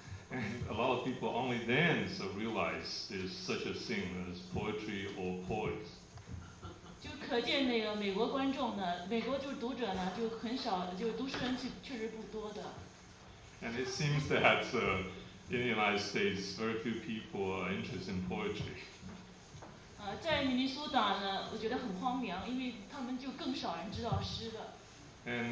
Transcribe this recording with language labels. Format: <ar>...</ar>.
<en>And a lot of people only then so realize there's such a thing as poetry or poets.</en> <zh>就可见那个美国观众呢，美国就是读者呢，就很少，就是读书人确实不多的。</zh> <en>And it seems that in the United States, very few people are interested in poetry.</en> <zh>在明尼苏达呢，我觉得很荒谬，因为他们就更少人知道诗的。</zh> <en>And</en>